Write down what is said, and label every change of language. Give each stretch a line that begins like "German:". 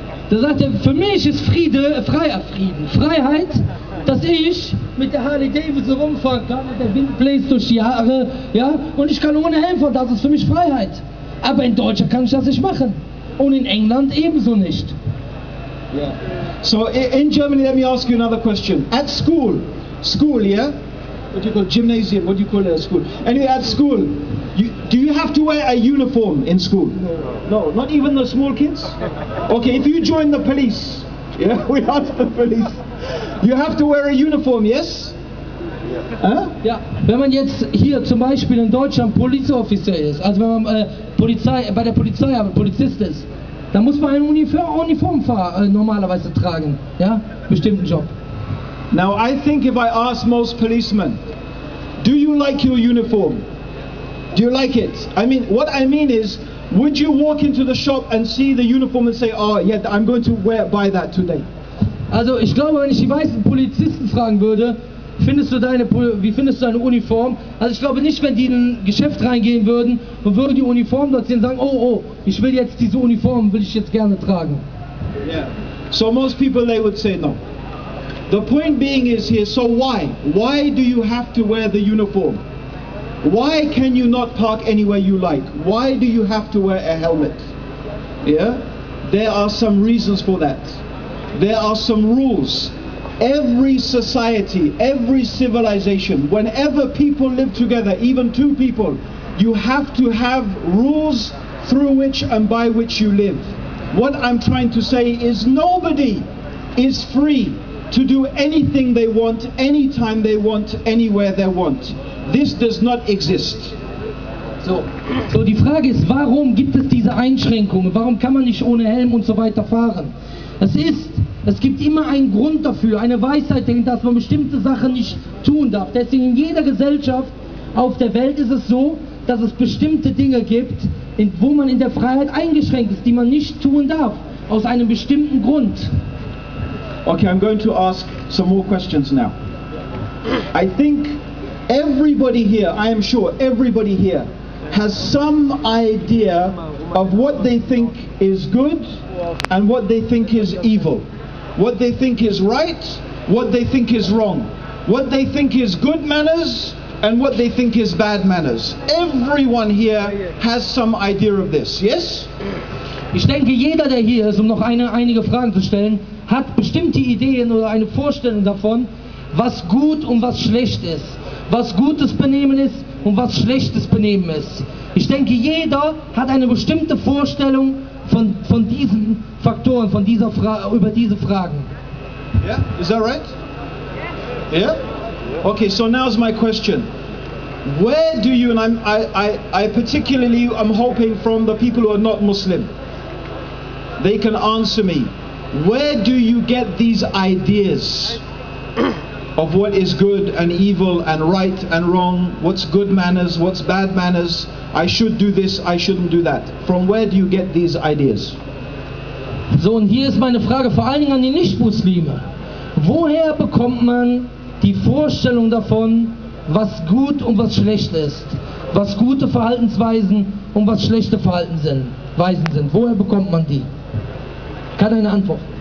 German: Da sagt er, für mich ist Freiheit, dass ich mit der Harley Davidson rumfahren kann, mit der Wind bläst durch die Haare, ja, und ich kann ohne Helm fahren, das ist für mich Freiheit. Aber in Deutschland kann ich das nicht machen. Und in England ebenso nicht.
English: Yeah. So, in Germany, let me ask you another question. At school, yeah? What do you call it? Gymnasium, what do you call it at school? Anyway, at school, do you have to wear a uniform in school? No, not even the small kids? Okay, if you join the police, yeah, we ask the police. You have to wear a uniform, yes? Yeah. Huh? Yeah.
German: Wenn man jetzt hier zum Beispiel in Deutschland Polizeioffizier ist, also wenn man Polizist ist, dann muss man eine Uniform normalerweise tragen, ja? Bestimmten Job.
English: Now I think if I ask most policemen, do you like your uniform? Do you like it? I mean, what I mean is, would you walk into the shop and see the uniform and say, oh yeah, I'm going to buy that today?
German: Also ich glaube, wenn ich die weißen Polizisten fragen würde, wie findest du deine Uniform? Also ich glaube nicht, wenn die in ein Geschäft reingehen würden und würden die Uniform dort sehen und sagen, oh, ich will jetzt diese Uniform, will ich jetzt gerne tragen.
English: Yeah. So most people, they would say no. The point being is here, so why? Why do you have to wear the uniform? Why can you not park anywhere you like? Why do you have to wear a helmet? Yeah? There are some reasons for that. There are some rules. Every society, every civilization, whenever people live together, even two people, you have to have rules through which and by which you live. What I'm trying to say is nobody is free to do anything they want, anytime they want, anywhere they want. This does not exist.
German: So die Frage ist, warum gibt es diese Einschränkungen? Warum kann man nicht ohne Helm und so weiter fahren? Es gibt immer einen Grund dafür, eine Weisheit, dass man bestimmte Sachen nicht tun darf. Deswegen in jeder Gesellschaft auf der Welt ist es so, dass es bestimmte Dinge gibt, wo man in der Freiheit eingeschränkt ist, die man nicht tun darf, aus einem bestimmten Grund.
English: Okay, I'm going to ask some more questions now. I think Everybody here, I am sure, everybody here has some idea of what they think is good and what they think is evil. What they think is right, what they think is wrong. What they think is good manners and what they think is bad manners. Everyone here has some idea of this, yes?
German: Ich denke, jeder, der hier ist, um noch einige Fragen zu stellen, hat bestimmte Ideen oder eine Vorstellung davon, was gut und was schlecht ist. Was gutes Benehmen ist und was schlechtes Benehmen ist. Ich denke, jeder hat eine bestimmte Vorstellung von diesen Faktoren, von dieser über diese Fragen.
English: Yeah, is that right? Yeah? Okay, so now's my question. Where do you, and I particularly am hoping from the people who are not Muslim, they can answer me. Where do you get these ideas of what is good and evil and right and wrong, what's good manners, what's bad manners, I should do this, I shouldn't do that. From where do you get these ideas?
German: So, und hier ist meine Frage vor allen Dingen an die Nicht-Muslime. Woher bekommt man die Vorstellung davon, was gut und was schlecht ist? Was gute Verhaltensweisen und was schlechte Verhaltensweisen sind? Woher bekommt man die? Keine eine Antwort.